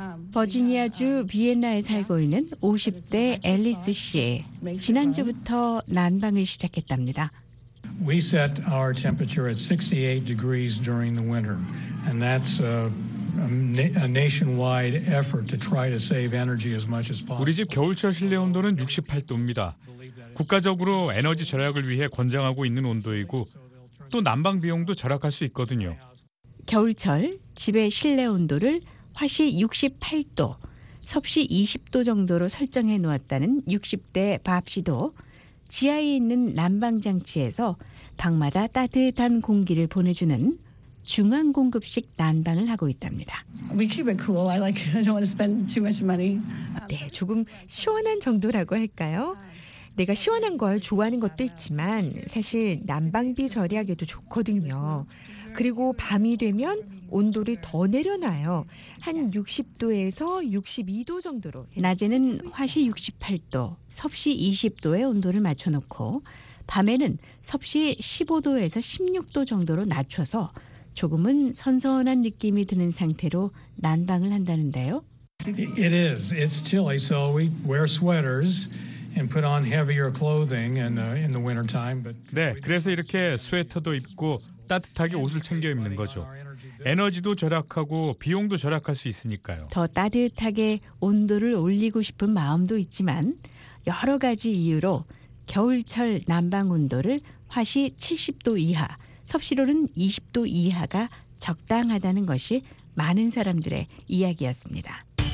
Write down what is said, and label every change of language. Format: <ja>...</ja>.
<ko>버지니아주 비엔나에 살고 있는 50대 앨리스 씨. 지난주부터 난방을 시작했답니다.</ko> <en>We set our temperature at 68 degrees during the winter, and that's a nationwide effort to try to save energy as much as possible.</en> <ko>우리 집 겨울철 실내 온도는 68도입니다. 국가적으로 에너지 절약을 위해 권장하고 있는 온도이고 또 난방 비용도 절약할 수 있거든요. 겨울철 집의 실내 온도를 화씨 68도, 섭씨 20도 정도로 설정해 놓았다는 60대 밥 씨도 지하에 있는 난방장치에서 방마다 따뜻한 공기를 보내주는 중앙공급식 난방을 하고 있답니다.</ko> <en>We keep it cool. I like it. I don't want to spend too much money.</en> <ko>네, 조금 시원한 정도라고 할까요? 내가 시원한 걸 좋아하는 것도 있지만 사실 난방비 절약에도 좋거든요. 그리고 밤이 되면 온도를 더 내려놔요. 한 60도에서 62도 정도로. 낮에는 화씨 68도, 섭씨 20도의 온도를 맞춰놓고 밤에는 섭씨 15도에서 16도 정도로 낮춰서 조금은 선선한 느낌이 드는 상태로 난방을 한다는데요.</ko> <en>It is. It's chilly, so we wear sweaters. And put on heavier clothing in the winter time.</en> <ko>네, 그래서 이렇게 스웨터도 입고 따뜻하게 옷을 챙겨 입는 거죠. 에너지도 절약하고 비용도 절약할 수 있으니까요. 더 따뜻하게 온도를 올리고 싶은 마음도 있지만 여러 가지 이유로 겨울철 난방 온도를 화씨 70도 이하, 섭씨로는 20도 이하가 적당하다는 것이 많은 사람들의 이야기였습니다.</ko>